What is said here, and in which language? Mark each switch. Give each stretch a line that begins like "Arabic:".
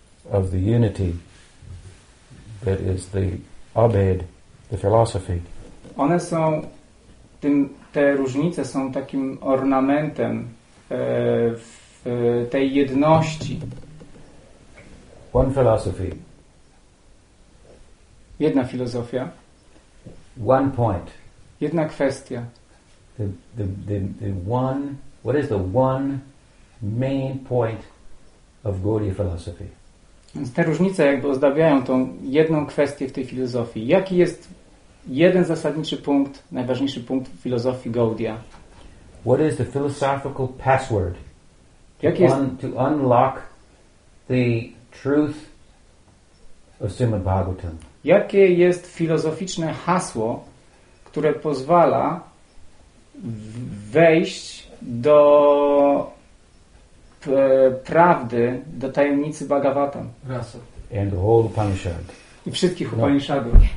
English: of the unity that is the abed, the philosophy.
Polish: One są tym, te różnice są takim ornamentem w tej jedności.
English: One philosophy.
Polish: Jedna filozofia.
English: One point.
Polish: Jedna kwestia.
English: The one, what is the one main point of Gaudiya philosophy?
Polish: Więc te różnice jakby ozdabiają tą jedną kwestię w tej filozofii. Jaki jest jeden zasadniczy punkt, najważniejszy punkt w filozofii Gaudiya?
English: What is the philosophical password to unlock the truth of Srimad Bhagavatam?
Polish: Jakie jest filozoficzne hasło, które pozwala wejść do prawdy, do tajemnicy Bhagavatam?
English: Rasa. And the whole Upanishad.
Polish: I wszystkich Upanishadów.